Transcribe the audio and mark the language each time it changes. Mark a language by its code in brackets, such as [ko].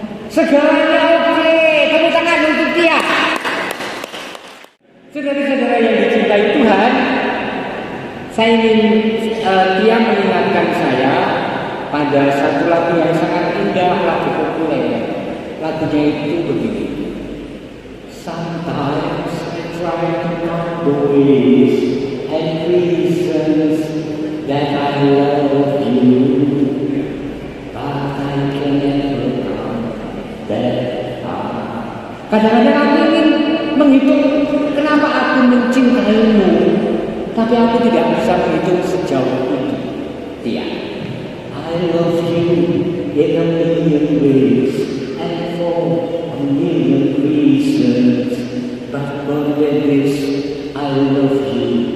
[id] Segalanya oke, tepuk tangan untuk dia. Saudara-saudara yang dicintai Tuhan, saya ingin dia mengingatkan saya pada satu lagu yang sangat indah, lagu populer. Lagunya itu begini. [en] Sometimes I try to find ways and reasons that I love you, but I can't count that far. [id] Kadang-kadang aku ingin menghitung kenapa aku mencintaimu, tapi aku tidak bisa menghitung sejauh itu. Dia, [en] I love you in a million ways and for a million reasons, but for the days I love you.